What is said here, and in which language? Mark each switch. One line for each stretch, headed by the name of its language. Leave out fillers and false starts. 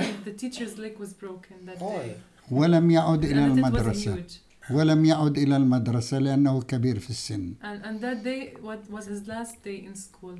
English: And the teacher's leg was broken that day.
Arabic: ولم يعد إلى المدرسة. ولم يعد إلى المدرسة لأنه كبير في السن.
English: And that day, what was his last day in school?